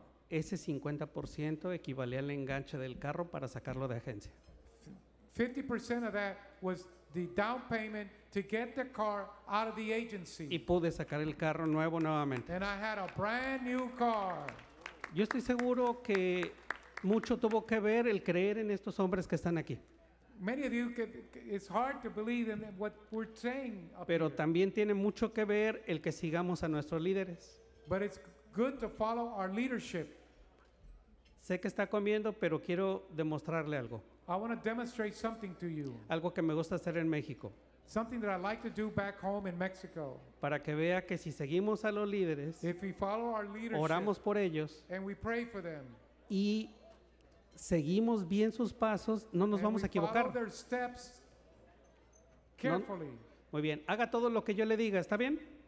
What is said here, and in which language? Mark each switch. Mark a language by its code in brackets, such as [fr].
[es] ese 50% equivalía al enganche del carro para sacarlo de agencia. [en] 50% of that was the down payment to get the car out of the agency. [es] Y pude sacar el carro nuevo nuevamente. [en] And I had a brand new car. [es] Yo estoy seguro que mucho tuvo que ver el creer en estos hombres que están aquí. [en] Many of you could, it's hard to believe in what we're saying. [es] Pero también tiene mucho que ver el que sigamos a nuestros líderes. [en] But it's good to follow our leadership. [es] Sé que está comiendo, pero quiero demostrarle algo. [en] I want to demonstrate something to you. [es] Algo que me gusta hacer en México. [en] Something that I like to do back home in Mexico. [es] Para que vea que si seguimos a los líderes, [en] if we follow our leadership, [es] oramos por ellos, [en] and we pray for them, [es] y seguimos bien sus pasos, no nos vamos [en] we [es] a equivocar. [en] Follow their steps carefully. [es] Muy bien, haga todo lo que yo le diga, ¿está bien?